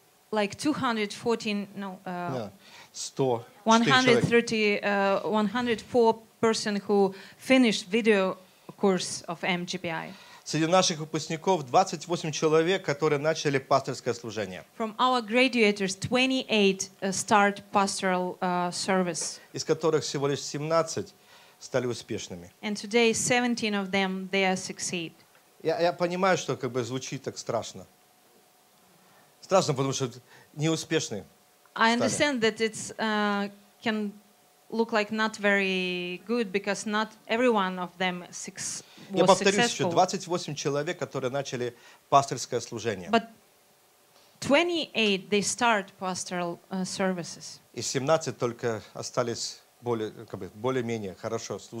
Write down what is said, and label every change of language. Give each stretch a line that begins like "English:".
English: Like 104 person who finished video course of MGBI.
Russian: Среди наших выпускников 28 человек, которые начали пасторское служение.
English: From our graduates, 28 start pastoral service.
Russian: Из которых всего лишь 17 стали успешными.
English: And today 17 of them they are succeed.
Russian: Я понимаю, что как бы звучит так страшно. Страшно, потому что неуспешные.
English: I understand that it can look like not very good because not every one of them successful.
Russian: Я повторюсь еще, 28 человек, которые начали пасторское служение.
English: But 28 they start pastoral services.
Russian: И 17 только остались более, как бы, более-менее хорошо